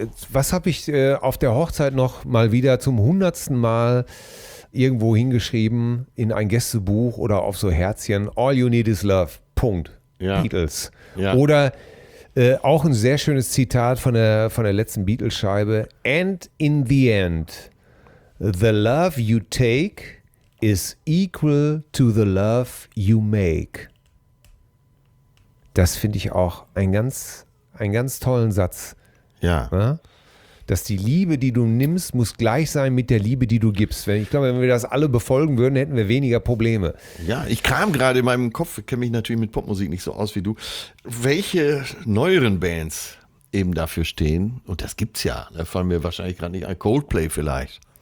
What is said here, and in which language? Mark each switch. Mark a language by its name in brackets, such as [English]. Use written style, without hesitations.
[German] Was habe ich auf der Hochzeit noch mal wieder zum 100. Mal irgendwo hingeschrieben in ein Gästebuch oder auf so Herzchen? [English] All you need is love. [German] Punkt. Ja. Beatles. Ja. Oder auch ein sehr schönes Zitat von der letzten Beatles-Scheibe. [English] And in the end, the love you take is equal to the love you make. [German] Das finde ich auch einen ganz tollen Satz. Ja. Ja. Dass die Liebe, die du nimmst, muss gleich sein mit der Liebe, die du gibst. Ich glaube, wenn wir das alle befolgen würden, hätten wir weniger Probleme. Ja, ich kam gerade in meinem Kopf, ich kenne mich natürlich mit Popmusik nicht so aus wie du, welche neueren Bands eben dafür stehen, und das gibt's ja, da fallen mir wahrscheinlich gerade nicht ein, Coldplay vielleicht.